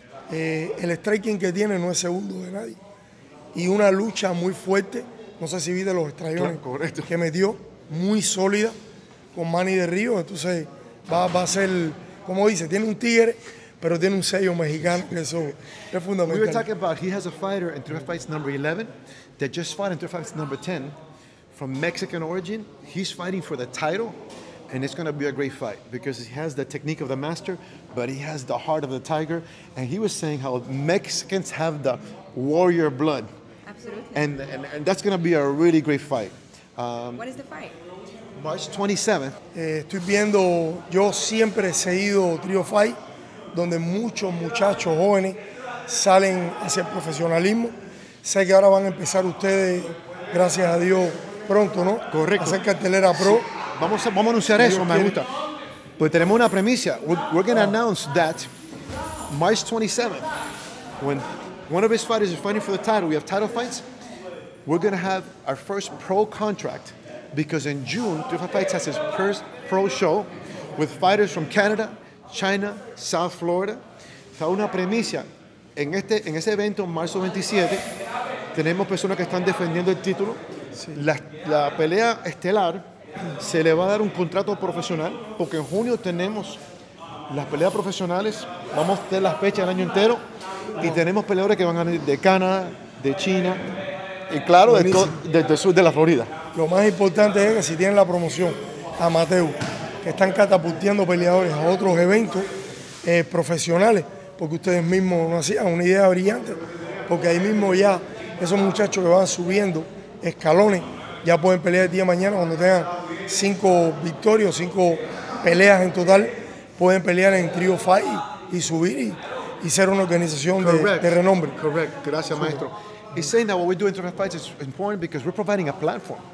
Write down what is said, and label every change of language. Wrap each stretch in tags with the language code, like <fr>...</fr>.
<es>El striking que tiene no es segundo de nadie. Y una lucha muy fuerte, no sé si viste los estrellones, claro, que metió, muy sólida, con Manny de Río. Entonces va a ser, como dice, tiene un tigre, pero tiene un sello mexicano, que eso es fundamental.</es> <en>We were talking about, he has a fighter in 3Fights number 11 that just fought in 3Fights number 10 from Mexican origin. He's fighting for the title, and it's going to be a great fight because he has the technique of the master, but he has the heart of the tiger. And he was saying how Mexicans have the warrior blood. Absolutely. And that's going to be a really great fight. What is the fight? March 27th.</en> <es>Estoy viendo, yo siempre he seguido Trio Fight, donde muchos muchachos jóvenes salen hacia el profesionalismo. Sé que ahora van a empezar ustedes, gracias a Dios, pronto, ¿no? Correcto. A hacer cartelera pro. Sí. Vamos a anunciar Dios eso, quiere. Me gusta. Pues tenemos una premisa.</es> <en>We're going to announce that March 27th, when one of his fighters is fighting for the title, we have title fights, we're going to have our first pro contract, because in June, Trio Fights has his first pro show with fighters from Canada, China, South Florida.</en> <es>Está una premisa. En ese evento, marzo 27, tenemos personas que están defendiendo el título. Sí. La pelea estelar se le va a dar un contrato profesional, porque en junio tenemos las peleas profesionales, vamos a tener las fechas el año entero, y tenemos peleadores que van a venir de Canadá, de China, y claro, del sur de la Florida. Lo más importante es que si tienen la promoción amateur, que están catapulteando peleadores a otros eventos profesionales, porque ustedes mismos no hacían una idea brillante, porque ahí mismo ya esos muchachos que van subiendo escalones ya pueden pelear el día de mañana cuando tengan 5 victorias, 5 peleas en total, pueden pelear en Trio Fight y subir y ser una organización de renombre.</es> <en>Correct.</en> <es>Gracias, super. Maestro.</es> <en>He's saying that what we do in Trio Fight is important because we're providing a platform.</en>